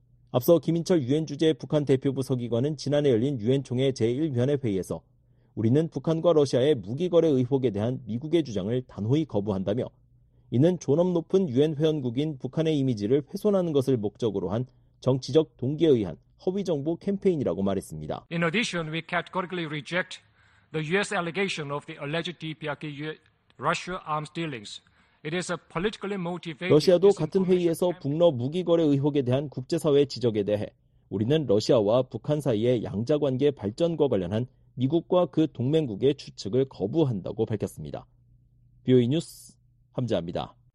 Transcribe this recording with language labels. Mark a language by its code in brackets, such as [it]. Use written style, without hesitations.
[ko] 앞서 김인철 유엔 주재 북한 대표부 서기관은 지난해 열린 유엔 총회 제1위원회 회의에서 우리는 북한과 러시아의 무기 거래 의혹에 대한 미국의 주장을 단호히 거부한다며 이는 존엄 높은 유엔 회원국인 북한의 이미지를 훼손하는 것을 목적으로 한 정치적 동기에 의한 허위 정보 캠페인이라고 말했습니다. [en] In addition, we categorically reject the US allegation of the alleged DPRK Russia arms dealings. It is a politically motivated. [ko] 러시아도 같은 회의에서 북러 무기 거래 의혹에 대한 국제 사회 지적에 대해 우리는 러시아와 북한 사이의 양자 관계 발전과 관련한 미국과 그 동맹국의 추측을 거부한다고 밝혔습니다. BOE 뉴스 함재합니다.